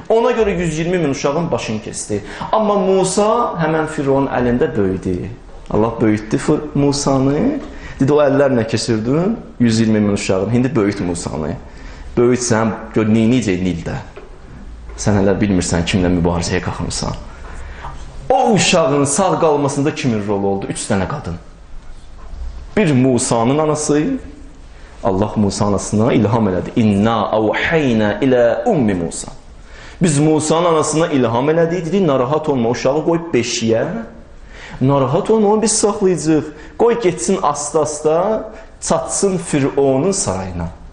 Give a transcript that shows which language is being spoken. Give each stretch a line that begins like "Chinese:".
Azerbaijani: Ona görə 120 min uşağın başını kesdi. Amma Musa həmən Firon əlində böyüdü. Allah böyütdü Musanı. Dedi, o əllər nə kesirdin? 120 min uşağın. İndi böyüt Musanı. Böyütsən, gör, neyinəcək Nildə? Sən hələ bilmirsən kimlə mübarizəyə qalxmışsan. O uşağın sağ qalmasında kimin rolu oldu? 3 dənə qadın. Bir Musanın anası. Allah Musa anasına ilham elədi.
Arabic: İnna avhayna ilə ummi Musa.
Azerbaijani: Biz Musanın anasına ilham elədi. Dedi, narahat olma, uşağı qoy beşiyə. Narahat olma, onu biz saxlayacaq. Qoy getsin asta-asta, çatsın Fironun sarayına.